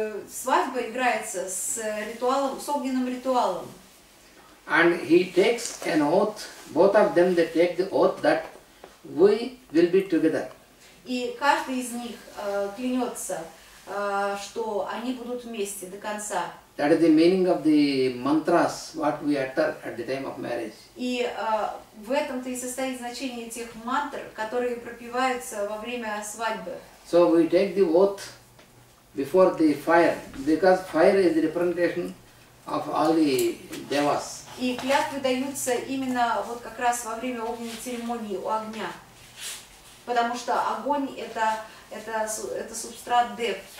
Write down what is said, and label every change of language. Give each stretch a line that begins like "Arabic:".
Russian: Свадьба играется с ритуалом, с огненным ритуалом.
English: And he takes an oath, both of them they take the oath that we will be together.
Russian: И каждый из них клянется, что они будут вместе до конца.
English: That is the meaning of the mantras, what we utter at the time of marriage.
Russian: И в этом-то и состоит значение тех мантр, которые пропеваются во время свадьбы.
English: So we take the oath before the fire, because fire is the representation of all the devas.
Russian: И клятвы даются именно вот как раз во время огненной церемонии у огня. Потому что огонь это субстрат дев.